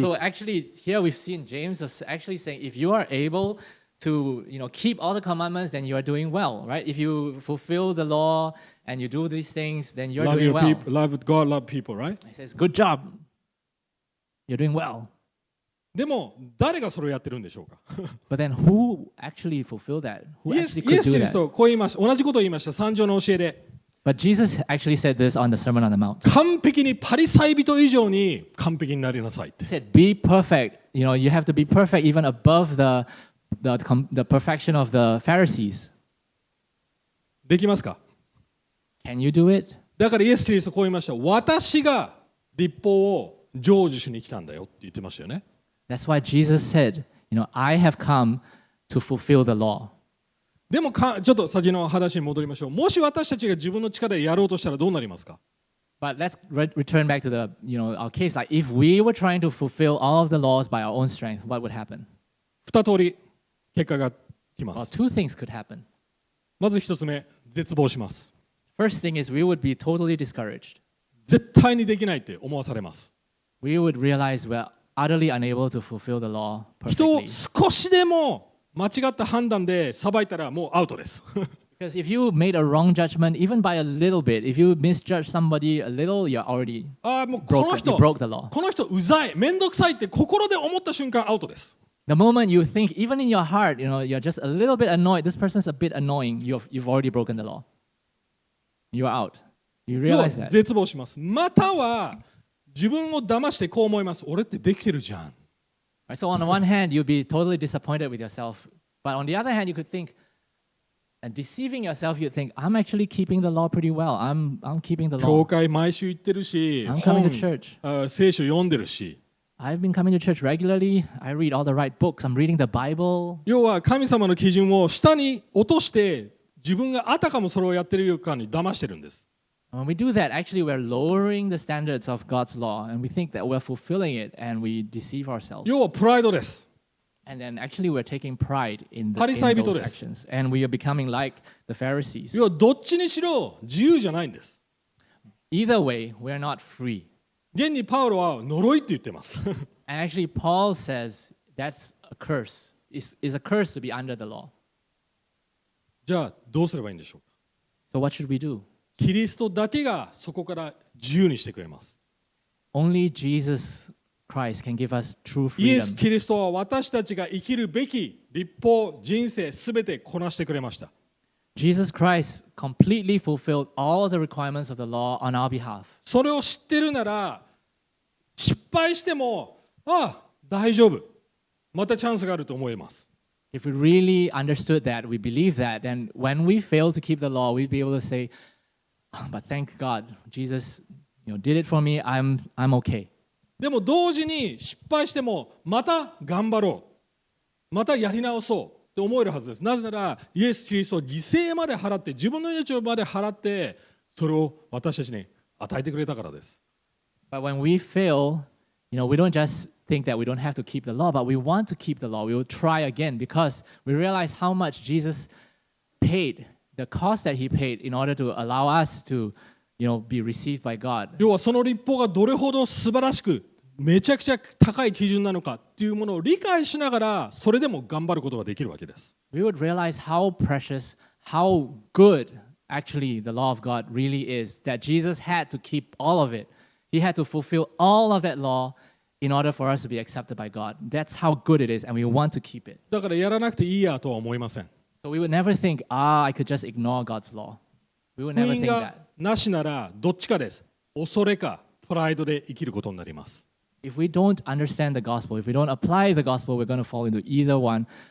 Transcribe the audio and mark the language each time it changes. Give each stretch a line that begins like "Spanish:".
English: So actually, here we've seen James is actually saying, if you are able to, you know, keep all the commandments, then you are doing well, right? If you fulfill the law and you do these things, then you're doing well. Love God, love people, right? He says, good job. You're doing well.
Japanese: でも誰がそれをやってるんでしょうか
English: But then who actually fulfilled that? Who actually could do that?
Japanese: Yes, こう言いました。同じことを言いました。三条の教えで。
English: But Jesus actually said this on the Sermon on the Mount.
Japanese: 完璧にパリサイ人以上に完璧になりなさいって。
English: He said, "Be perfect. You know, you have to be perfect even above the perfection of the Pharisees."
Japanese: できますか
English: ？Can you do it?
Japanese: だからイエス・キリストこう言いました。私が律法を成就しに来たんだよって言ってましたよね。
English: That's why Jesus said, "You know, I have come to fulfill the law."
Japanese: でもちょっと先の話に戻りましょう。もし私たちが自分の力でやろうとしたらどうなりますか
English: ？But let's return back to the, you know, our case. Like if we were trying to fulfill all of the laws by our own strength, what would happen?
Japanese: 二通り結果がきます。
English: Well, two things could happen.
Japanese: まず一つ目、絶望します。
English: First thing is we would be totally discouraged.
Japanese: 絶対にできないって思わされます。
English: We would realize we're utterly unable to fulfill the law perfectly.
Japanese: 人を少しでも間違った判断で裁いたらもうアウトです。
English: Because if you made a wrong judgment, even by a little bit, if you misjudge somebody a little, you're already broke the law.
Japanese: この人うざい、めんどくさいって心で思った瞬間アウトです。
English: The moment you think, even in your heart, you know, you're just a little bit annoyed, this person's a bit annoying, you've already broken the law. You're out. You realize that.
Japanese: 絶望します。または自分を騙してこう思います。俺ってできてるじゃん。
English: Right, so on the one hand, you'd be totally disappointed with yourself. But on the other hand, you could think, and deceiving yourself, you'd think, I'm actually keeping the law pretty well. I'm keeping the law.
Japanese: 教会毎週行ってるし、
English: I'm coming to church.
Japanese: 聖書読んでるし。
English: I've been coming to church regularly. I read all the right books. I'm reading the Bible.
Japanese: 要は神様の基準を下に落として、自分があたかもそれをやってるように騙してるんです。
English: When we do that, actually we're lowering the standards of God's law and we think that we're fulfilling it and we deceive ourselves.
Japanese: 要はプライドです。
English: And then actually we're taking pride in those actions and we are becoming like the Pharisees.
Japanese: 要はどっちにしろ自由じゃないんです。
English: Either way, we're not free.
Japanese: 現にパウロは呪いって言ってます。
English: And actually Paul says that's a curse. It's a curse to be under the law.
Japanese: じゃあどうすればいいんでしょうか?
English: So what should we do?
Japanese: キリストだけがそこから自由にしてくれます。
English: Only Jesus Christ can give us true freedom.
Japanese: イエス・キリストは私たちが生きるべき律法、人生すべてこなしてくれました。
English: Jesus Christ completely fulfilled all the requirements of the law on our behalf.
Japanese: それを知ってるなら、失敗しても、ああ、大丈夫。またチャンスがあると思います。
English: If we really understood that, we believe that, then when we fail to keep the law, we'd be able to say,But thank God, Jesus you know, did it for me, I'm okay.
Japanese: でも同時に失敗してもまた頑張ろう、またやり直そうと思えるはずです。なぜならイエス・キリストを犠牲まで払って、自分の命をまで払ってそれを私たちに与えてくれたからです。
English: But when we fail, you know, we don't just think that we don't have to keep the law, but we want to keep the law. We will try again because we realize how much Jesus paid, the cost that he paid in order to allow us to, you know, be received by God.
Japanese: 要はその律法がどれほど素晴らしくめちゃくちゃ高い基準なのかっていうものを理解しながらそれでも頑張ることができるわけです。
English: We would realize how precious, how good actually the law of God really is, that Jesus had to keep all of it. He had to fulfill all of that law in order for us to be accepted by God. That's how good it is, and we want to keep it.
Japanese: だからやらなくていいやとは思いません。
English: So we would never think, ah, I could just ignore God's law. We would never think that.
Japanese: 福音がなしならどっちかです。恐れかプライドで生きることになります。
English: If we don't understand the gospel, if we don't apply the gospel, we're going to fall into either one.